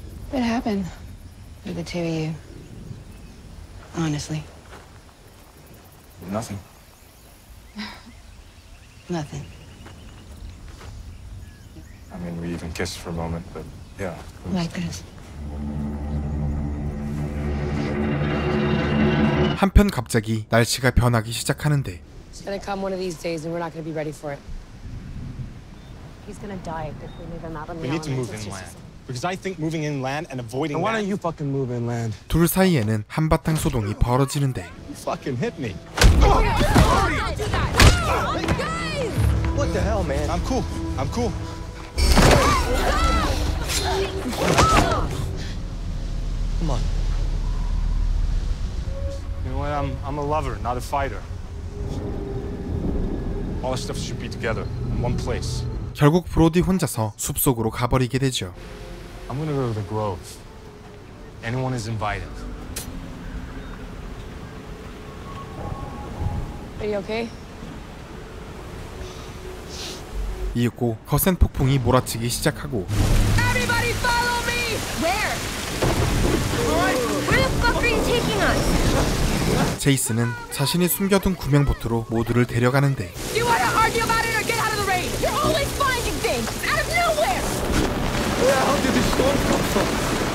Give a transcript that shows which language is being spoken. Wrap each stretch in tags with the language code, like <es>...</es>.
<en>What happened with the two of you? Honestly. Nothing. Nothing. I mean, we even kissed for a moment, but yeah. Like this.</en> <ko>한편 갑자기 날씨가 변하기 시작하는데.</ko> <en>It's gonna come one of these days, and we're not gonna be ready for it. He's gonna die if we move him out on the island. We need to move inland. Because I think moving inland and avoiding that. Why don't you fucking move inland?</en> <ko>둘 사이에는 한바탕 소동이 벌어지는데.</ko> <en>You fucking hit me. What the hell, man? I'm cool. I'm cool. Come on. You know what? I'm a lover, not a fighter. All this stuff should be together in one place.</en> <ko>결국 브로디 혼자서 숲속으로 가버리게 되죠.</ko> <en>I'm gonna go to the grove. Anyone is invited. Are you okay?</en> <ko>이윽고 거센 폭풍이 몰아치기 시작하고.</ko> <en>Everybody follow me. Where? Where the fuck are you taking us?</en> <ko>제이슨은 자신이 숨겨둔 구명보트로 모두를 데려가는데.</ko> <en>You wanna argue about it or get out of the rain? You're always finding things out of nowhere. Where the hell did this storm come from?</en>